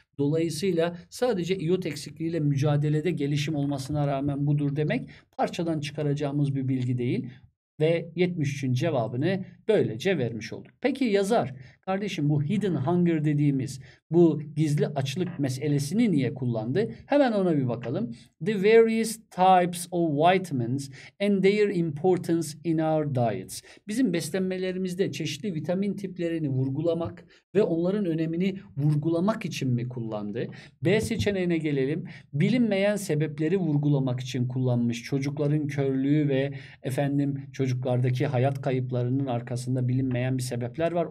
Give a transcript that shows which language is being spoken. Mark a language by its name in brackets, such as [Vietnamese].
[Turkish] Dolayısıyla sadece iyot eksikliğiyle mücadelede gelişim olmasına rağmen budur demek parçadan çıkaracağımız bir bilgi değil. Ve 73'ün cevabını böylece vermiş olduk. Peki yazar, kardeşim bu hidden hunger dediğimiz bu gizli açlık meselesini niye kullandı? Hemen ona bir bakalım. [English] The various types of vitamins and their importance in our diets. [Turkish] Bizim beslenmelerimizde çeşitli vitamin tiplerini vurgulamak ve onların önemini vurgulamak için mi kullandı? B seçeneğine gelelim. Bilinmeyen sebepleri vurgulamak için kullanmış. Çocukların körlüğü ve efendim çocuklardaki hayat kayıplarının arkasında bilinmeyen bir sebepler var.